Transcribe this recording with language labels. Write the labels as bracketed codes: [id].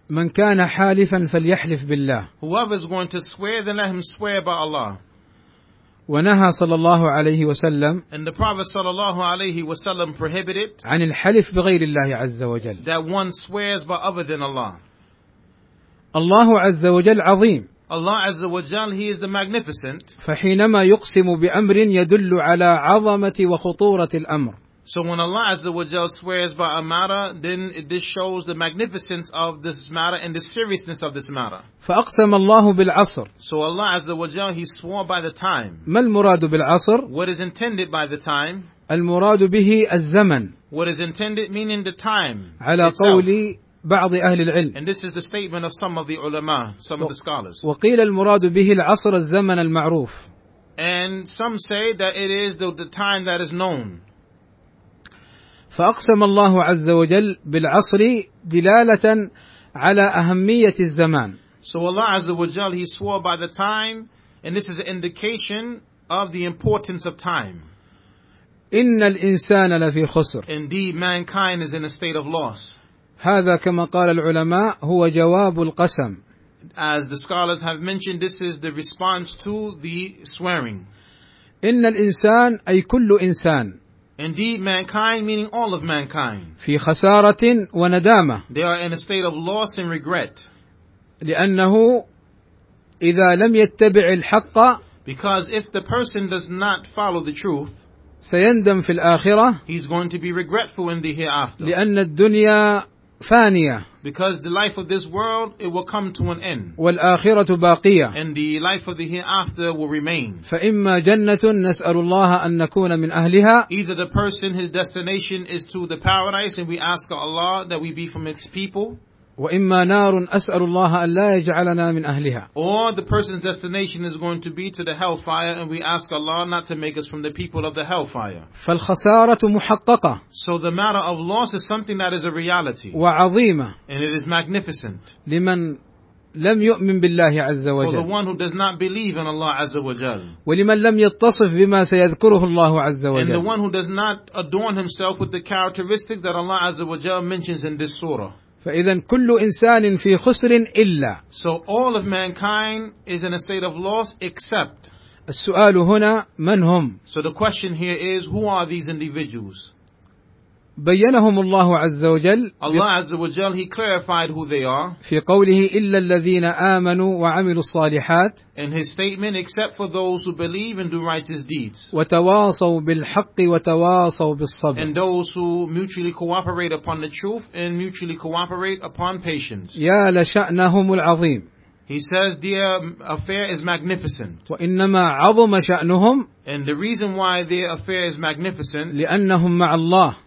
[ar] من كان حالفا فليحلف بالله [en] Whoever is going to swear then let him swear by Allah. [ar] ونهى صلى الله عليه وسلم [en] And the Prophet صلى الله عليه وسلم prohibited [ar] عن الحلف بغير الله عز وجل [en] That one swears by other than Allah. [ar] الله عز وجل عظيم [en] Allah Azza wa Jalla, He is the Magnificent. [ar] فحينما يقسم بأمر يدل على عظمة وخطورة الأمر. [en] So when Allah Azza wa Jalla swears by a matter, then this shows the magnificence of this matter and the seriousness of this matter. [ar] فأقسم الله بالعصر. [en] So Allah Azza wa Jalla, He swore by the time. [ar] ما المراد بالعصر؟ [en] What is intended by the time? [ar] المراد به الزمن. [en] What is intended meaning the time. [ar] على قولي بعض أهل العلم. [en] And this is the statement of some of the ulama, some of the scholars. [ar] وقيل المراد به العصر الزمن المعروف. [en] And some say that it is the time that is known. ف [ar] فأقسم الله عز وجل بالعصر دلالة على أهمية الزمان. [en] So Allah Azza wa Jal, He swore by the time, and this is an indication of the importance of time. [ar] إن الإنسان لفي خسر. [en] Indeed, mankind is in a state of loss. [ar] هذا كما قال العلماء هو جواب القسم. [en] As the scholars have mentioned, this is the response to the swearing. [ar] إن الإنسان أي كل إنسان. [en] Indeed, mankind, meaning all of mankind. [ar] في خسارة وندامة. [en] They are in a state of loss and regret. [ar] لأنه إذا لم يتبع الحق. [en] Because if the person does not follow the truth. [ar] سيندم في الآخرة. [en] He's going to be regretful in the hereafter. [ar] لأن الدنيا فانية. [en] Because the life of this world, it will come to an end. [ar] والآخرة باقية. [en] And the life of the hereafter will remain. [ar] فإما جنة نسأل الله أن نكون من أهلها. [en] Either the person, his destination is to the paradise, and we ask Allah that we be from its people. [ar] وإما نار أسأل الله أن لا يجعلنا من أهلها. [en] Or the person's destination is going to be to the hellfire, and we ask Allah not to make us from the people of the hellfire. [ar] فالخسارة محققة. [en] So the matter of loss is something that is a reality. [ar] وعظيمة. [en] And it is magnificent. [ar] لمن لم يؤمن بالله عز وجل. [en] For the one who does not believe in Allah عز وجل. [ar] ولمن لم يتصف بما سيذكره الله عز وجل. [en] And the one who does not adorn himself with the characteristics that Allah عز وجل mentions in this surah. [ar] فإذا كل إنسان في خسر إلا. [en] So all of mankind is in a state of loss except. [ar] السؤال هنا من هم؟ [en] So the question here is who are these individuals? [ar] بينهم الله عز وجل. [en] Allah عز وجل he clarified who they are. [ar] في قوله إلا الذين آمنوا وعملوا الصالحات. [en] In his statement except for those who believe and do righteous deeds. [ar] وتواصوا بالحق وتواصوا بالصبر. [en] And those who mutually cooperate upon the truth and mutually cooperate upon patience. [ar] يا لشأنهم العظيم. [en] He says their affair is magnificent. [ar] وإنما عظم شأنهم. [en] And the reason why their affair is magnificent. [ar] لأنهم مع الله.